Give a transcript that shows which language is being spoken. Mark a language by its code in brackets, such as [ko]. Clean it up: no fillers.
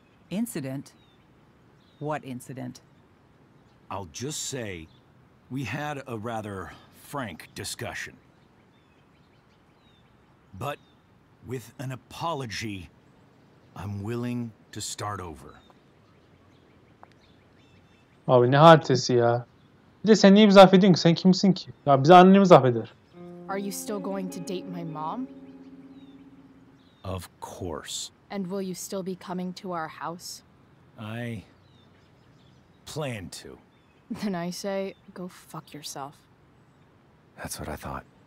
[en] Incident? What incident? I'll just say, we had a rather frank discussion. But with an apology, I'm willing to start over. [tr] Abi ne hadisesi ya? Bir de sen niye bizi affediyorsun ki? Sen kimsin ki? Ya bizi annemiz affeder. [en] Are you still going to date my mom? Of course. And will you still be coming to our house? I plan to. Then I say, go fuck yourself. That's what I thought.